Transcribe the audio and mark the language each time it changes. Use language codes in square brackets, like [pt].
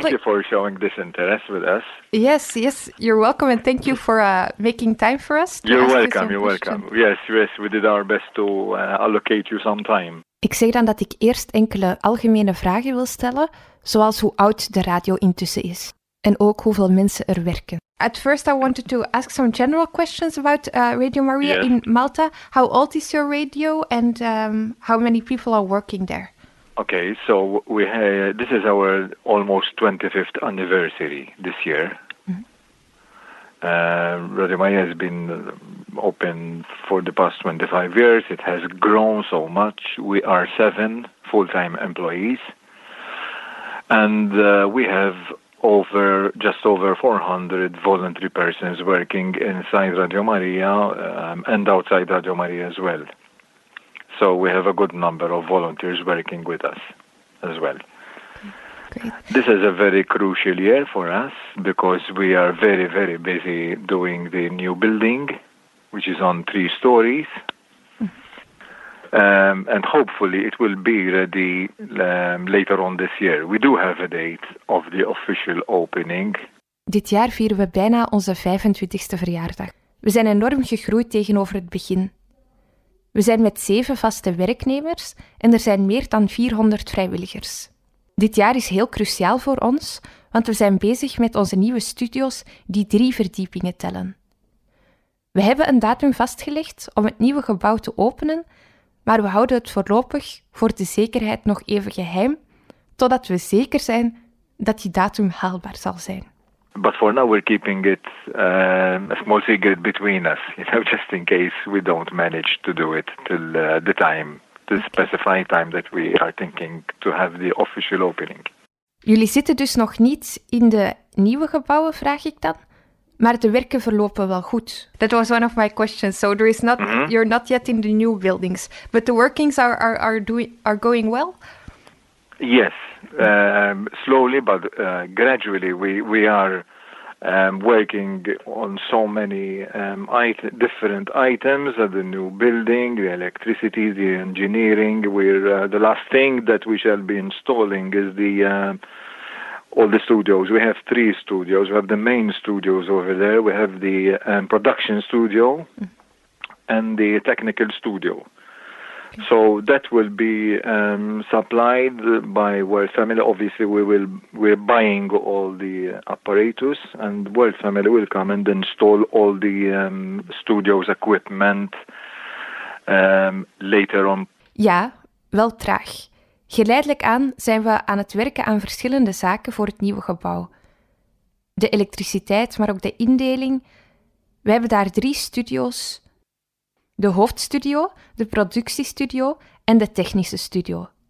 [en] Thank you for showing this interest with us. Yes, yes. You're welcome, and thank you for making time for us. You're welcome. You're welcome. Yes, yes. We did our best to allocate you some time. [nl] Ik zeg dan dat ik eerst enkele algemene vragen wil stellen, zoals hoe oud de radio intussen is en ook hoeveel mensen er werken. [en] At first I wanted to ask some general questions about Radio Maria in Malta. How old is your radio and how many people are working there? Okay, so we this is our almost 25th anniversary this year. Radio Maria has been open for the past 25 years. It has grown so much. We are 7 full-time employees, and we have just over 400 voluntary persons working inside Radio Maria and outside Radio Maria as well. So we have a good number of volunteers working with us as well. Great. This is a very crucial year for us because we are very, very busy doing the new building, which is on 3 stories. And hopefully it will be ready later on this year. We do have a date of the official opening. [nl] Dit jaar vieren we bijna onze 25e verjaardag. We zijn enorm gegroeid tegenover het begin. We zijn met 7 vaste werknemers en er zijn meer dan 400 vrijwilligers. Dit jaar is heel cruciaal voor ons, want we zijn bezig met onze nieuwe studio's die 3 verdiepingen tellen. We hebben een datum vastgelegd om het nieuwe gebouw te openen, maar we houden het voorlopig voor de zekerheid nog even geheim, totdat we zeker zijn dat die datum haalbaar zal zijn. [en] But for now we're keeping it a small secret between us, you know, just in case we don't manage to do it till the time. The specified time that we are thinking to have the official opening. [nl] Jullie zitten dus nog niet in de nieuwe gebouwen, vraag ik dan. Maar de werken verlopen wel goed. [en] That was one of my questions. So there is not you're not yet in the new buildings, but the workings are going well. Yes, slowly but gradually. We are working on so many different items at the new building, the electricity, the engineering. We're the last thing that we shall be installing is the all the studios. We have 3 studios. We have the main studios over there. We have the production studio and the technical studio. So that will be supplied by World Family. Obviously, we're buying all the apparatus, and World Family will come and install all the studios equipment later on. [nl] Ja, wel traag. Geleidelijk aan zijn we aan het werken aan verschillende zaken voor het nieuwe gebouw. De elektriciteit, maar ook de indeling. We hebben daar 3 studio's. De hoofdstudio, de productiestudio en de technische studio.